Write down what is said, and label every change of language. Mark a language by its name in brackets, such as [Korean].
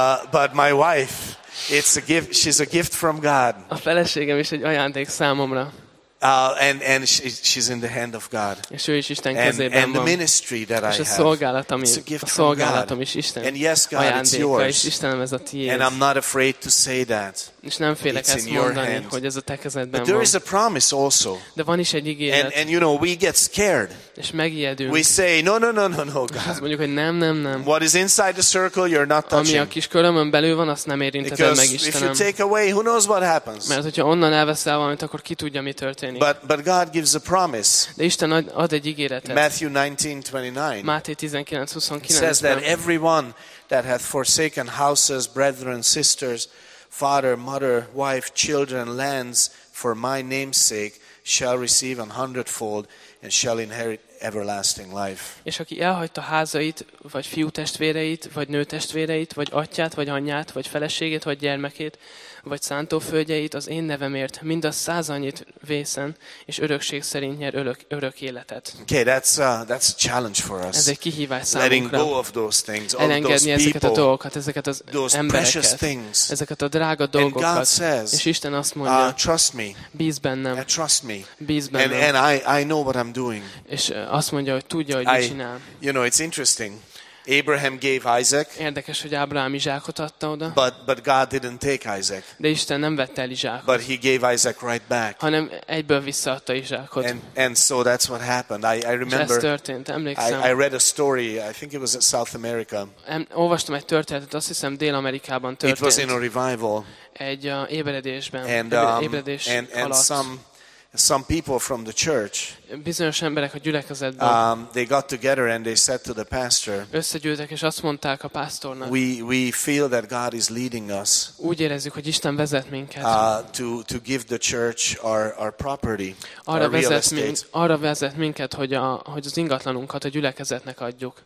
[English] But my wife, it's a gift, she's a gift from God. [Hungarian] A feleségem is egy ajándék számomra. [English] And she's in the hand of God. And the ministry that I have, it's a gift from God. And yes, God, it's yours. And I'm not afraid to say that. It's in your hand. But there is a promise also. And you know, we get scared. We say, no, God. What is inside the circle, you're not touching. Because if you take away, who knows what happens? But God gives a promise. [Hungarian] De Isten ad egy ígéretet. [English] Matthew 19:29 says that everyone that hath forsaken houses, brethren, sisters, father, mother, wife, children, lands for my name's sake shall receive 100-fold and shall inherit everlasting life. [Hungarian] És aki elhagyta házait, vagy fiú testvéreit, vagy nő testvéreit, vagy atyát, vagy anyját, vagy feleségét, vagy gyermekét, vagy szántóföldjeit az én nevemért, mindaz száz annyit vészen, és örökség szerint nyer örök életet. [English] Okay, that's a challenge for us. [Hungarian] Ez egy kihívás számunkra. [English] Letting go of those things, all [Hungarian] elengedni [English] those [Hungarian] ezeket [English] people, [Hungarian] a dolgokat, ezeket az [English] those [Hungarian] embereket, [English] precious things. [Hungarian] Ezeket a drága dolgokat. [English] And God says, [Hungarian] és Isten azt mondja, [English] trust me. [Hungarian] Bíz bennem. [English] Trust me. [Hungarian] Bíz bennem. [English] And I know what I'm doing. [Hungarian] És azt mondja, hogy tudja, hogy mit csinál. [English] You know, it's interesting. Abraham gave Isaac. [Hungarian] Érdekes, hogy Ábrahám Izsákot adta oda. [English] But God didn't take Isaac. [Hungarian] De Isten nem vette el Izsákot. [English] But he gave Isaac right back. [Hungarian] Hanem egyből visszaadta Izsákot. [English] And so that's what happened. I remember. [Hungarian] Ez történt, emlékszem. [English] I read a story. I think it was in South America. [Hungarian] Olvastam egy történetet, azt hiszem Dél-Amerikában történt. [English] It was in a revival. [Hungarian] Egy ébredésben. [English] And [Hungarian] ébredés [English] and some people from the church, [Hungarian] bizonyos emberek a gyülekezetben, [English] they got together and they said to the pastor, [Hungarian] összegyűltek és azt mondták a pásztornak, [English] we feel that God is leading us, [Hungarian] úgy érezzük, hogy Isten vezet minket, [English] to give the church our property, [Hungarian] arra [English] our real [Hungarian] vezet [English] estate. [Hungarian] Arra vezet minket, hogy az ingatlanunkat a gyülekezetnek adjuk.